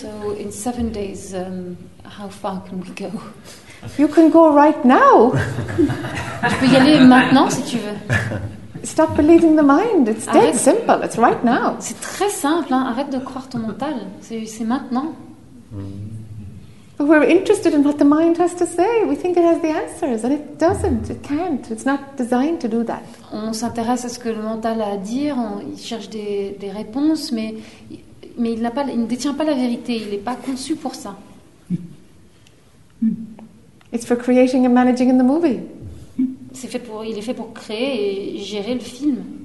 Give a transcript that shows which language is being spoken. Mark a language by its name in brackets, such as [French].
[English] So in 7 days, how far can we go? You can go right now. [French] Tu peux y aller maintenant si tu veux. [English] Stop believing the mind. It's dead simple. It's right now. [French] C'est très simple. Hein? Arrête de croire ton mental. C'est maintenant. [English] But we're interested in what the mind has to say. We think it has the answers, and it doesn't. It can't. It's not designed to do that. [French] On s'intéresse à ce que le mental a à dire. Il cherche des réponses, mais il ne détient pas la vérité. Il n'est pas conçu pour ça. [English] It's for creating and managing in the movie. [French] Il est fait pour créer et gérer le film.